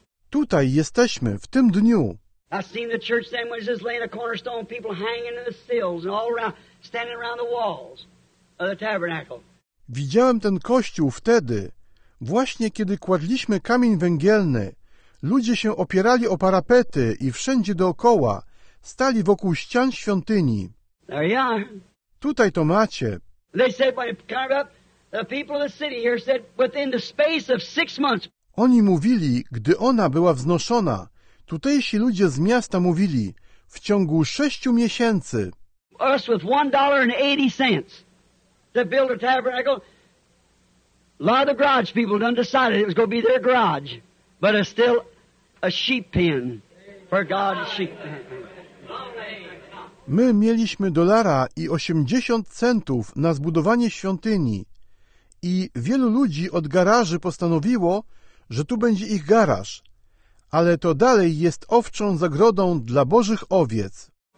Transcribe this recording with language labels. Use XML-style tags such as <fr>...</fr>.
<pl>Tutaj jesteśmy, w tym dniu.</pl> <en>I've seen the church then when it's just laying a cornerstone, people hanging in the sills and all around, standing around the walls of the tabernacle.</en> <pl>Widziałem ten kościół wtedy, właśnie kiedy kładliśmy kamień węgielny. Ludzie się opierali o parapety i wszędzie dookoła stali wokół ścian świątyni.</pl> <en>There you are.</en> <pl>Tutaj to macie.</pl> <en>They said, when it came up, the people of the city here said, within the space of 6 months.</en> <pl>Oni mówili, gdy ona była wznoszona. Tutejsi ludzie z miasta mówili, w ciągu 6 miesięcy.</pl> <en>Us with $1.80 to build a tabernacle. A lot of the garage people done decided it was going to be their garage, but it's still a sheep pen for God's sheep.</en> <pl>My mieliśmy $1.80 na zbudowanie świątyni i wielu ludzi od garaży postanowiło, że tu będzie ich garaż. Ale to dalej jest owczą zagrodą dla Bożych owiec.</pl>